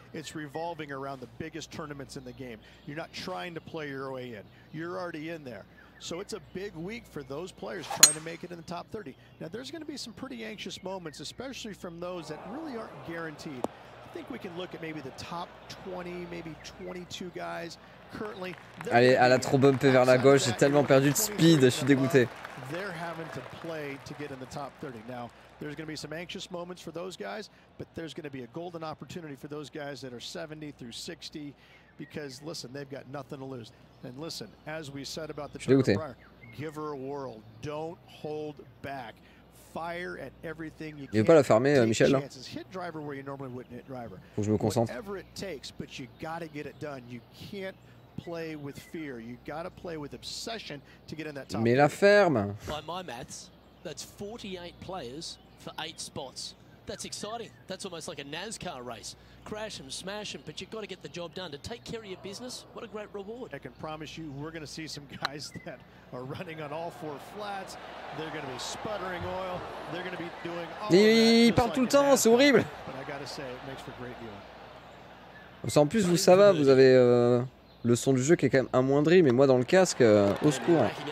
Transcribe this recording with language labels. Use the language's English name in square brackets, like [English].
[English] It's revolving around the biggest tournaments in the game. You're not trying to play your way in. You're already in there. So it's a big week for those players trying to make it in the top 30. Now there's going to be some pretty anxious moments, especially from those that really aren't guaranteed. I think we can look at maybe the top 20, maybe 22 guys. Currently, [French] allez, elle a trop bumpé vers la gauche, j'ai tellement perdu de speed, je suis dégoûté. [English] They're having to play to get in the top 30. Now, there's going to be some anxious moments for those guys, but there's going to be a golden opportunity for those guys that are 70 through 60 because, listen, they've got nothing to lose. And listen, as we said about the tournament prior, give her a whirl. Don't hold back. Fire at everything you can. [French] Il veut pas la fermer, Michel, là. [English] Hit driver where you normally wouldn't hit driver. [French] Faut que je me concentre. [English] Whatever it takes, but you got to get it done. You can't play with fear. You got to play with obsession to get in that top. [French] Mais la ferme. [English] By my maths, that's 48 players for 8 spots. That's exciting. That's almost like a NASCAR race. Crash them, smash them, but you've got to get the job done. To take care of your business, what a great reward. I can promise you we're going to see some guys that are running on all four flats. They're going to be sputtering oil. They're going to be doing all that. [French] Ils partent tout le temps, c'est horrible. [English] But I got to say, it makes for great viewing. [French] En plus, vous, ça va, vous avez le son du jeu qui est quand même amoindri, mais moi dans le casque, au secours.